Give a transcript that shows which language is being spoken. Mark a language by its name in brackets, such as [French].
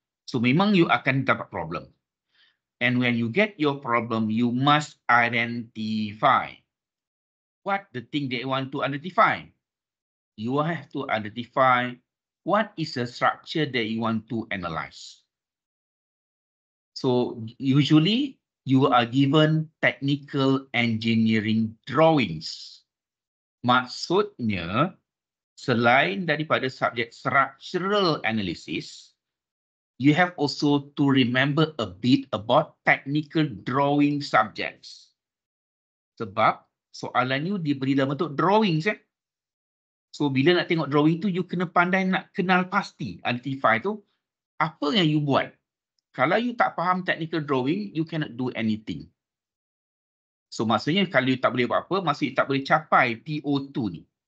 [Malay] So memang you akan dapat problem. [English] And when you get your problem, you must identify. What the thing they want to identify? You have to identify what is the structure that you want to analyze. So usually, you are given technical engineering drawings. [Malay] Maksudnya, selain daripada subjek [English] structural analysis, you have also to remember a bit about technical drawing subjects. [Malay] Sebab soalan you diberi dalam bentuk drawings. Eh? So, bila nak tengok drawing tu, you kena pandai nak kenal pasti, identify tu, apa yang you buat. Kalau you tak faham [English] technical drawing, you cannot do anything. [Malay] So maksudnya kalau you tak boleh buat apa, maksudnya you tak boleh capai PO2 ni.